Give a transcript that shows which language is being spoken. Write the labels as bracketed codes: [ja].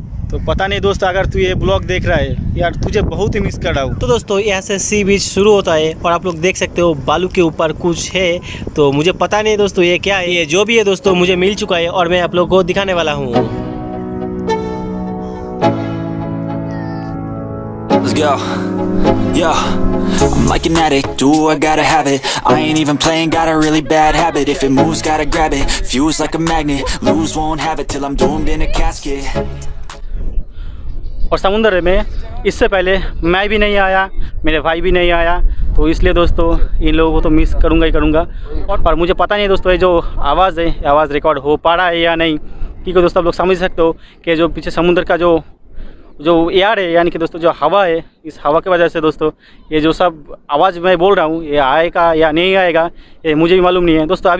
[hi] तो पता नहीं दोस्त, अगर तू ये ब्लॉग देख रहा है यार, तुझे बहुत ही मिस कर रहा हूँ। तो दोस्तों, यहाँ से सी बीच शुरू होता है, और आप लोग देख सकते हो बालू के ऊपर कुछ है, तो मुझे पता नहीं दोस्तों ये क्या है। ये जो भी है दोस्तों, मुझे मिल चुका है, और मैं आप लोग को दिखाने वाला हूँ। [en] Yo, yo, I'm like an addict, do I gotta have it? I ain't even playing, got a really bad habit. If it moves, gotta grab it, fuse like a magnet. Lose, won't have it, till I'm doomed in a casket. [hi] और समुंदर में इससे पहले मैं भी नहीं आया, मेरे भाई भी नहीं आया, तो इसलिए दोस्तों इन लोगों को तो मिस करूंगा ही करूंगा। और पर मुझे पता नहीं दोस्तों, ये जो आवाज़ है, आवाज़ रिकॉर्ड हो पा रहा है या नहीं, क्योंकि दोस्तों आप लोग समझ सकते हो कि जो पीछे समुंदर का जो एयर है, यानी कि दोस्तों जो हवा है, इस हवा की वजह से दोस्तों ये जो सब आवाज़ मैं बोल रहा हूँ, ये आएगा या नहीं आएगा, ये मुझे भी मालूम नहीं है दोस्तों।